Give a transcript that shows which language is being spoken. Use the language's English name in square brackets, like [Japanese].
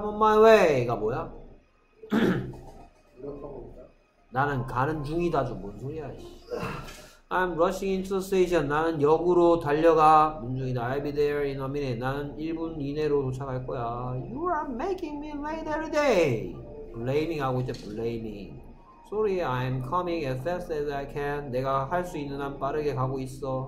[English] I'm on my way. [Korean] 가 뭐야? 나는 가는 중이다. 좀 뭔 소리야. [English] I'm rushing into the station. [Korean] 나는 역으로 달려가. 문중이다. [English] I'll be there in a minute. [Korean] 나는 1분 이내로 도착할 거야. [English] You are making me late every day. Blaming [Korean] 하고 있어. [English] Blaming. Sorry, I'm coming as fast as I can. [Korean] 내가 할 수 있는 한 빠르게 가고 있어.